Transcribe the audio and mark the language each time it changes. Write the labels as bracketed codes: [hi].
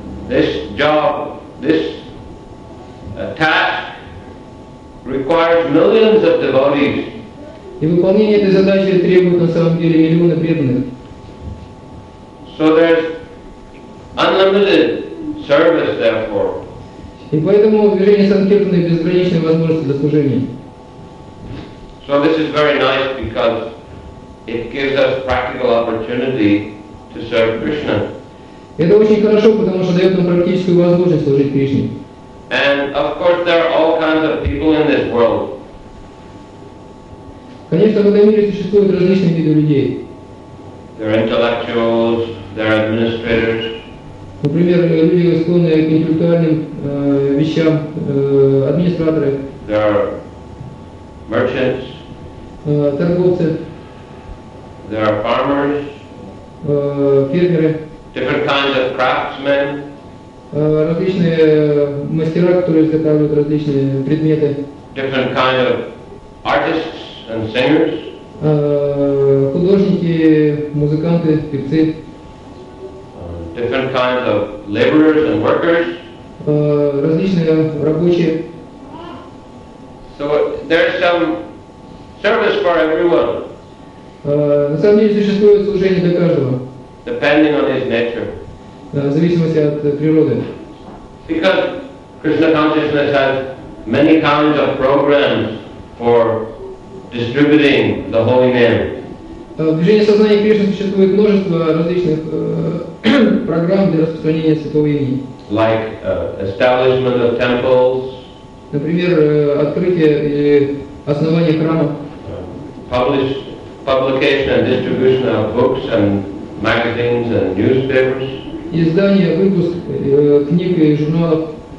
[en] This job, this task requires millions of devotees. [ru] И выполнение этой задачи требует на самом деле миллионы преданных. [en] So there's unlimited service, therefore. [ru] И поэтому движение Санкиртаны безграничные возможности для служения. [en] So this is very nice because it gives us practical opportunity to serve Krishna. [ru] Это очень хорошо, потому что дает нам практическую возможность служить Кришне. [en] And of course there are all kinds of people in this world. [ru] Конечно, в этом мире существуют различные виды людей. [en] There are intellectuals, there are administrators. [ru] Например, люди, склонные к интеллектуальным вещам, администраторы. [en] There are merchants. [ru] Торговцы. [en] There are farmers. [ru] Фермеры. [en] Different kinds of craftsmen. [ru] различные мастера, которые изготавливают различные предметы. [en] Different kind of artists and singers. [ru] Художники, музыканты, певцы. [en] Different kinds of laborers and workers. [ru] Различные рабочие. [en] So there's some service for everyone. [ru] На самом деле существует служение для каждого. [en] Depending on his nature. [ru] В зависимости от природы. [en] Because Krishna consciousness has many kinds of programs for distributing the holy name. [ru] В движении сознания Кришны существует множество различных программ для распространения святого имени. [en] Like establishment of temples. [ru] Например, открытие или основание храма. [en] Publication and distribution of books and magazines and newspapers. [ru] Издание, выпуск книг и журналов.